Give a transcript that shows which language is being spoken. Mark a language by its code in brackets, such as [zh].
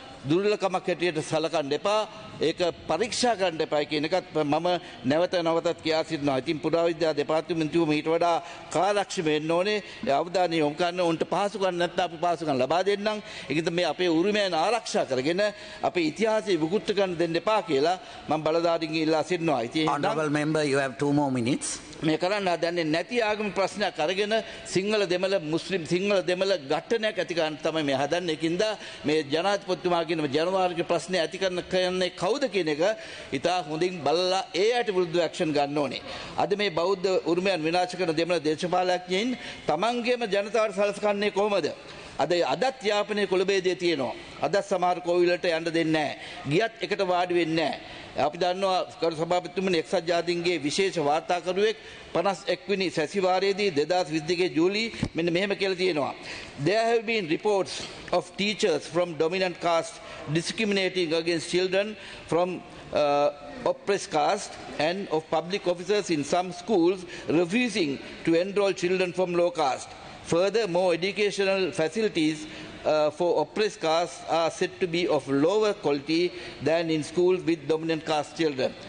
[si] දුර්ලභකමක් හැටියට සලකන්න එපා, ඒක පරීක්ෂා කරන්න එපා කියන එකත් මම නැවත නැවතත් කියා සිටිනවා. ඉතින් පුරාවිද්‍යා දෙපාර්තමේන්තුව මීට වඩා කාර්යක්ෂම වෙන්න ඕනේ. ඒ අවධානය යොමු කරන්න උන්ට පහසුකම් නැත්නම් අපි පහසුකම් ලබා දෙන්නම්. ඒකද මේ අපේ උරුමයන් ආරක්ෂා කරගෙන අපේ ඉතිහාසය විකෘති කරන්න දෙන්න එපා කියලා මම බලධාරීන්ගෙන් ඉල්ලා සිටිනවා. [en] Honorable member, you have 2 more minutes. [si] මේ කරන්න දන්නේ නැති ආගම ප්‍රශ්නයක් අරගෙන සිංහල දෙමළ මුස්ලිම් සිංහල දෙමළ ඝට්ටනයක් ඇති කරන්න තමයි මේ හදන්නේ. ඒකින්ද මේ ජනාධිපතිතුමා කියන ජනවාර්ග ප්‍රශ්නේ ඇති කරන කියන්නේ කවුද කියන එක ඉතා හොඳින් බලලා ඒ අයට විරුද්ධව ඇක්ෂන් ගන්න ඕනේ. අද මේ බෞද්ධ උරුමයන් විනාශ කරන දෙමළ දේශපාලඥයින් තමන්ගේම ජනතාව සලස්කන්නේ කොහොමද? අද අදත් යාපනයේ කොළඹේදී තියෙනවා. අදත් සමහර කෝවිලට යන්න දෙන්නේ නැහැ. ගියත් එකට වාඩි වෙන්නේ නැහැ. අපි දන්නවා කරු සභාපතිතුමනි එක්සත් ජාතීන්ගේ විශේෂ වාර්තාකරුවෙක් 51 වෙනි සැසිවාරයේදී 2022 ජූලි මෙන්න මෙහෙම කියලා තියෙනවා. [en] There have been reports of teachers from dominant caste discriminating against children from oppressed caste and of public officers in some schools refusing to enroll children from low caste. Further, more educational facilities for oppressed castes are said to be of lower quality than in schools with dominant caste children.